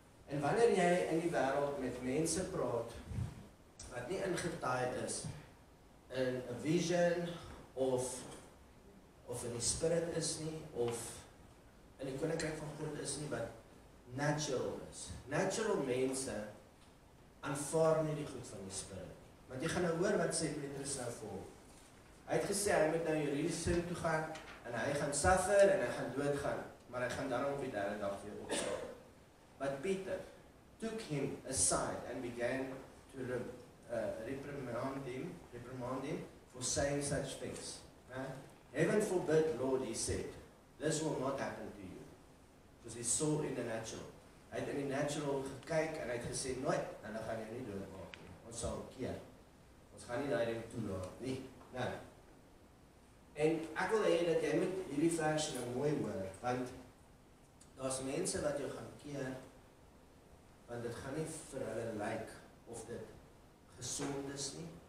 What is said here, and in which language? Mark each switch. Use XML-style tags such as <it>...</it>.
<af>En wanneer jy in die wêreld met mense praat wat nie ingetaai is in 'n vision of in die spirit is nie of in die koninkryk van God is nie, wat natural is. Natural mense aanvaar nie die goed van die spirit. Want jy gaan nou hoor wat sê Petrus nou vir hom. Hy het gesê hy moet nou Jerusalem toe gaan en hy gaan suffer en hy gaan doodgaan, maar hy gaan dan op die derde dag weer opstaan.</af> <en>But Peter took him aside and began to reprimand him for saying such things. Heaven forbid, Lord, he said, this will not happen to you. Because he saw in the natural.</en> <af>Hy het in die natural gekyk en hy het gesê, nooit, dan gaan jy nie doodmaak nie. Ons sal keer. Ons gaan nie daar in toelaat nie. Nou. En ek wil hê dat jy moet hierdie vers nou mooi hoor, want daar's mense wat jou gaan keer, want dit gaan nie vir hulle lyk of dit gesond is nie.</af>